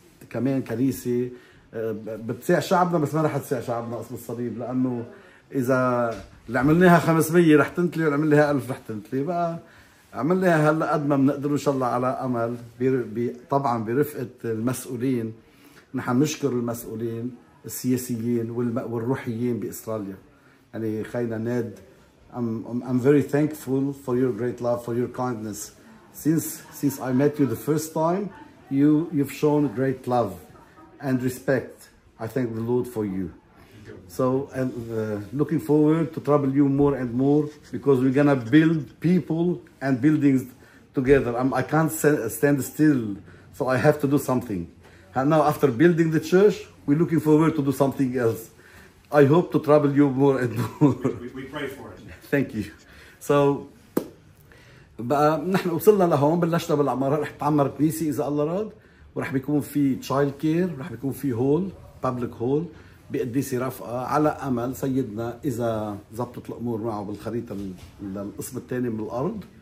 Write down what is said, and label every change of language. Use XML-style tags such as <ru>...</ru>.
<ar>كمان، كنيسة بتسيع شعبنا، بس ما رح تسيع شعبنا أصل الصليب، لأنه إذا اللي عملناها 500 رح تنتلي، واللي عملناها 1000 رح تنتلي. بقى عمل لها هلا قد ما بنقدر ان شاء الله على امل طبعا برفقه المسؤولين. نحن نشكر المسؤولين السياسيين والروحيين باستراليا. يعني خينا ناد</ar> <en>I'm very thankful for your great love, for your kindness. Since I met you the first time, you've shown great love and respect. I thank the Lord for you. So and looking forward to trouble you more and more, because we're gonna build people and buildings together. I can't stand still, so I have to do something. And now after building the church, we're looking forward to do something else. I hope to trouble you more and more. We pray for it. Thank you.</en> <ar>So, بقى نحن وصلنا لهون بلشنا بالعمارة. رح تعمر كنيسة إذا الله راد, ورح بيكون في child care, رح بيكون في hall, public hall بقديسي رفقة على أمل سيدنا إذا زبطت الأمور معه بالخريطة للقسم الثاني من الأرض.</ar>